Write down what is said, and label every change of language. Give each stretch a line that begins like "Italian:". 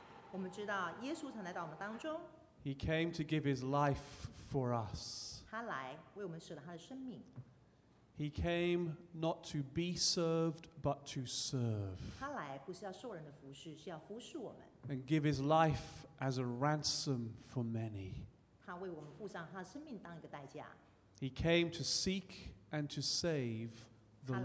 Chinese: 我们知道耶稣曾来到我们当中。
English: He came to give his life for us.
Chinese: 他来为我们舍了他的生命。
English: He came not to be served, but to serve.
Chinese: 他来不是要受人的服侍，是要服侍我们。
English: And give his life as a ransom for many.
Chinese: 他为我们付上他的生命当一个代价。
English: He came to seek and to save the lost.